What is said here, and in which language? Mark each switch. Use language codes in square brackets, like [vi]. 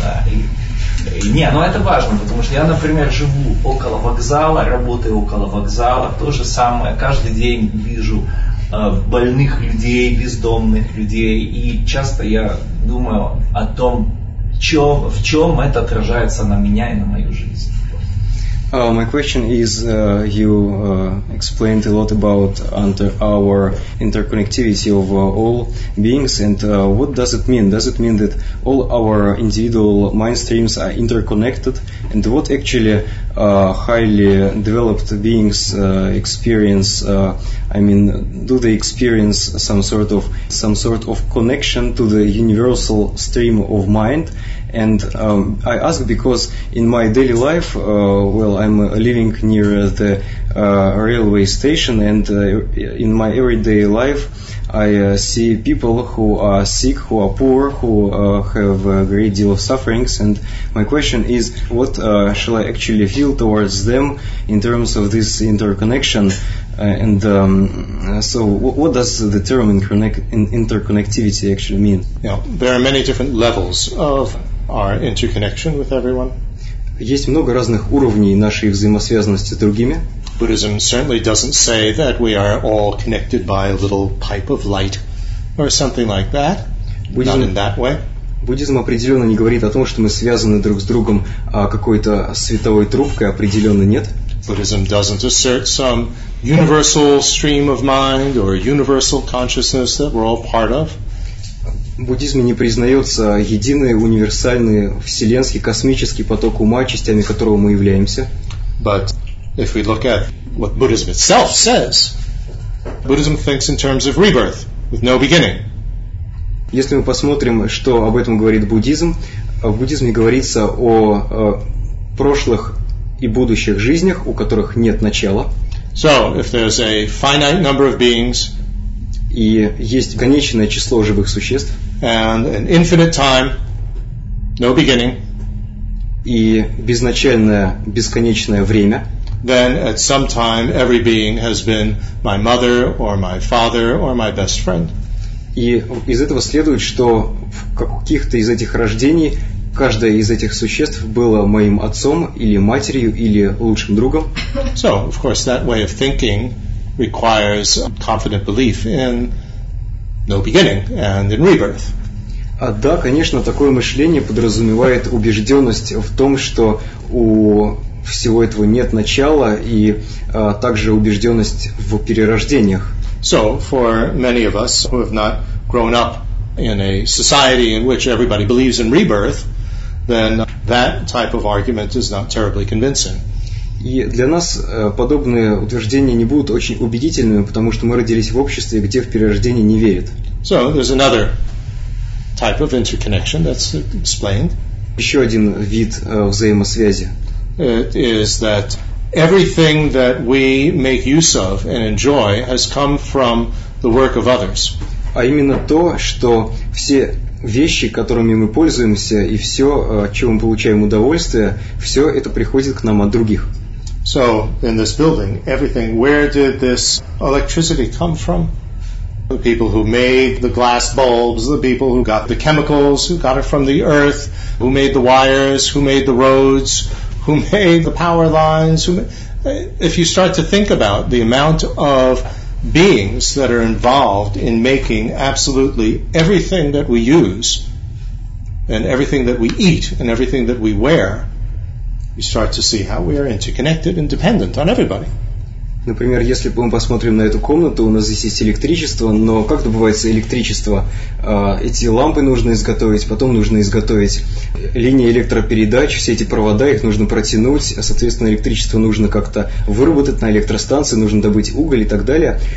[ru] Да? Но это важно, потому что я, например, живу около вокзала, работаю около вокзала, то же самое, каждый день вижу больных людей, бездомных людей, и часто я думаю о том, в чем это отражается на меня и на мою жизнь. [en] My question is, you explained a lot about our interconnectivity of all beings, and what does it mean? Does it mean that all our individual mind streams are interconnected, and what actually highly developed beings experience? I mean, do they experience some sort of connection to the universal stream of mind? And I ask because in my daily life, I'm living near the railway station, and in my everyday life, I see people who are sick, who are poor, who have a great deal of sufferings. And my question is, what shall I actually feel towards them in terms of this interconnection? What does the term interconnectivity actually mean? Yeah, there are many different levels of our interconnection with everyone. [ru] Есть много разных уровней нашей взаимосвязанности с другими. [en] Buddhism certainly doesn't say that we are all connected by a little pipe of light or something like that. Buddhism, not in that way. [ru] Буддизм определенно не говорит о том, что мы связаны друг с другом какой-то световой трубкой, определенно нет. [en] Buddhism doesn't assert some universal stream of mind or universal consciousness that we're all part of. [ru] В буддизме не признается единый универсальный вселенский космический поток ума, частями которого мы являемся. [en] But if we look at what Buddhism itself says, Buddhism thinks in terms of rebirth with no beginning. [ru] Если мы посмотрим, что об этом говорит буддизм, в буддизме говорится о прошлых и будущих жизнях, у которых нет начала. [en] So, if there's a finite number of beings, [ru] и есть конечное число живых существ, [en] and an infinite time, no beginning, [ru] и безначальное бесконечное время, [en] then at some time every being has been my mother or my father or my best friend. [ru] И из этого следует, что в каких-то из этих рождений каждое из этих существ было моим отцом или матерью или лучшим другом. [en] So, of course, that way of thinking requires confident belief in no beginning and in rebirth. [ru] А да, конечно, такое мышление подразумевает убежденность в том, что у всего этого нет начала, и также убежденность в перерождениях. [en] So, for many of us who have not grown up in a society in which everybody believes in rebirth, then that type of argument is not terribly convincing. [ru] И для нас подобные утверждения не будут очень убедительными, потому что мы родились в обществе, где в перерождение не верят. [en] So, there's another type of interconnection that's explained. [ru] Еще один вид взаимосвязи. [en] It is that everything that we make use of and enjoy has come from the work of others. [ru] А именно то, что все вещи, которыми мы пользуемся, и все, чем мы получаем удовольствие, все это приходит к нам от других. [en] So, in this building, everything, where did this electricity come from? The people who made the glass bulbs, the people who got the chemicals, who got it from the earth, who made the wires, who made the roads, who made the power lines, if you start to think about the amount of beings that are involved in making absolutely everything that we use and everything that we eat and everything that we wear, you start to see how we are interconnected and dependent on everybody. [ru] Например, если мы посмотрим на эту комнату, у нас здесь есть электричество, но как добывается электричество? Эти лампы нужно изготовить, потом нужно изготовить линии электропередач, все эти провода, их нужно протянуть, соответственно, электричество нужно как-то выработать на электростанции, нужно добыть уголь и так далее.